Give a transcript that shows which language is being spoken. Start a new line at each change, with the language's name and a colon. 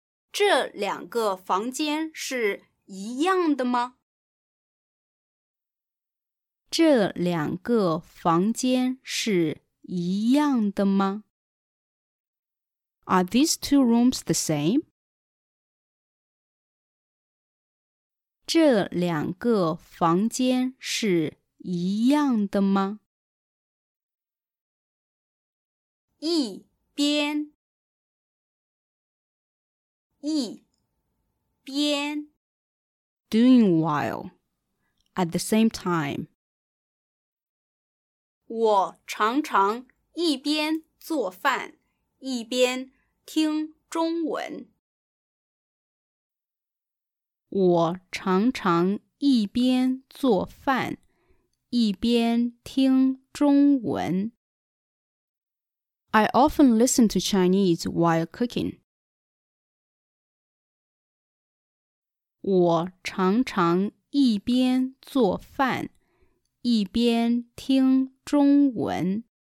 Chinese: 这两个房间是一样的吗？这两个房间是一样的吗?
English: Are these two rooms the same?
Chinese: 这两个房间是一样的吗? 一边一边
English: Doing while, at the same time.
Chinese: 我常常一边做饭，一边听中文。我常常一边做饭，一边听中文。
English: I often listen to Chinese while cooking.
Chinese: 我常常一边做饭。一边听中文。